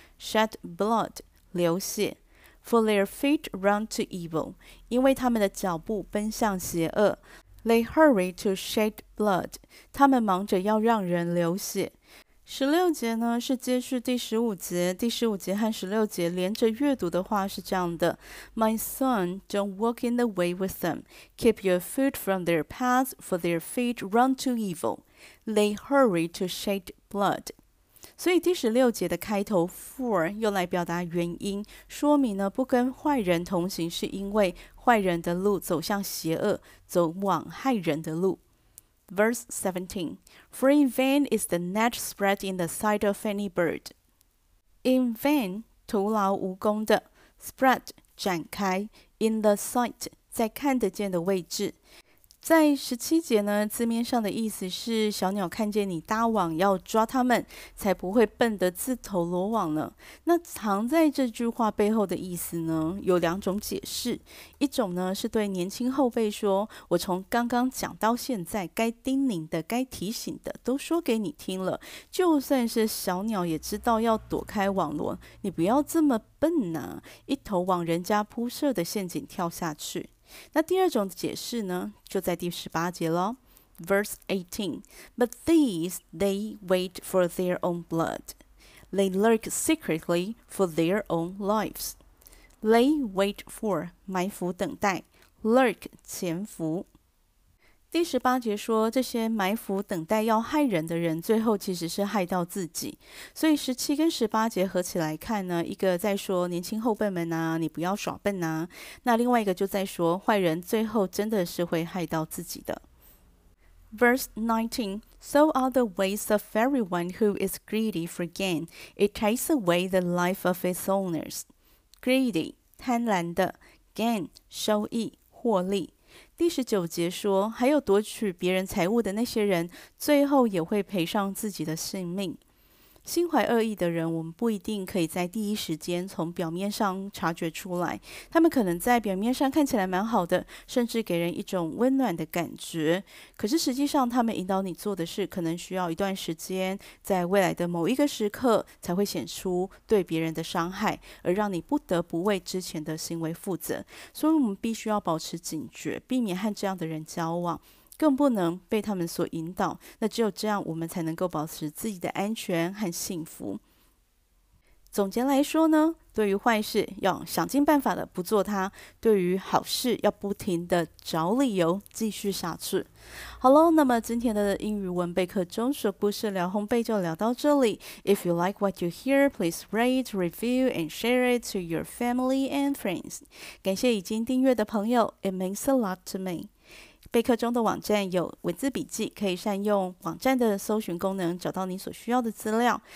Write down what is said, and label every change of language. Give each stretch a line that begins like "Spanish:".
English: Shed blood, 流血。For their feet run to evil, 因为他们的脚步奔向邪恶。 They hurry to shed blood, 他们忙着要让人流血。
Chinese: 十六节呢，是接续第十五节，第十五节和十六节连着阅读的话是这样的。
English: My son, don't walk in the way with them. Keep your foot from their path, for their feet run to evil. They hurry to shed blood.
Chinese: 所以第十六节的开头 for 用来表达原因，说明呢不跟坏人同行是因为坏人的路走向邪恶，走往害人的路。
English: Verse 17 For in vain is the net spread in the sight of any bird.
Chinese: In vain, 徒劳无功的 spread, 展开 in the sight, 在看得见的位置。在十七节呢，字面上的意思是小鸟看见你搭网要抓它们，才不会笨得自投罗网呢。那藏在这句话背后的意思呢，有两种解释。一种呢，是对年轻后辈说，我从刚刚讲到现在，该叮咛的、该提醒的都说给你听了，就算是小鸟也知道要躲开网罗，你不要这么笨啊，一头往人家铺设的陷阱跳下去。那第二种解释呢，就在第十八节咯。
English: Verse 18 But these, they wait for their own blood. They lurk secretly for their own lives.
Chinese: They wait for, 埋伏等待 Lurk, 潜伏。第十八节说，这些埋伏等待要害人的人，最后其实是害到自己。所以十七跟十八节合起来看呢，一个在说年轻后辈们啊，你不要耍笨啊，那另外一个就在说坏人最后真的是会害到自己的。
English: Verse 19 So are the ways of everyone who is greedy for gain. It takes away the life of its owners.
Chinese: Greedy, 贪婪的 Gain, 收益、获利。第十九节说，还有夺取别人财物的那些人，最后也会赔上自己的性命。心怀恶意的人，我们不一定可以在第一时间从表面上察觉出来，他们可能在表面上看起来蛮好的，甚至给人一种温暖的感觉，可是实际上他们引导你做的事，可能需要一段时间，在未来的某一个时刻才会显出对别人的伤害，而让你不得不为之前的行为负责。所以我们必须要保持警觉，避免和这样的人交往，更不能被他们所引导，那只有这样我们才能够保持自己的安全和幸福。总结来说呢，对于坏事要想尽办法的不做它，对于好事要不停的找理由继续下去。好咯，那么今天的英语文备课中说故事聊烘焙就聊到这里。
English: If you like what you hear, please rate, review and share it to your family and friends.
Chinese: 感谢已经订阅的朋友， It means a lot to me。备课中的网站有文字笔记，可以善用网站的搜寻功能找到你所需要的资料。